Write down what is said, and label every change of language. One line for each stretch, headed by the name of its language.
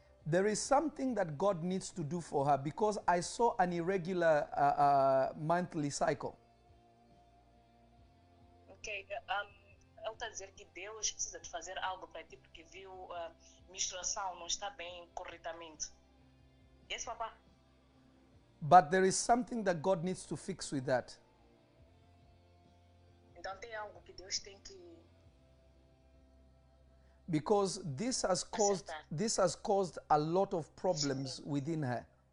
English: There is something that God needs to do for her because I saw an irregular monthly cycle. Okay.
Portuguese: Ele está a dizer que Deus precisa de fazer algo para ti porque viu a menstruação não está bem corretamente.
English: Yes, papá. But there is something that God needs to fix with that.
Portuguese: Então tem algo que Deus tem que...
English: Because this has caused
Portuguese: acertar.
English: This has caused a lot of problems within her.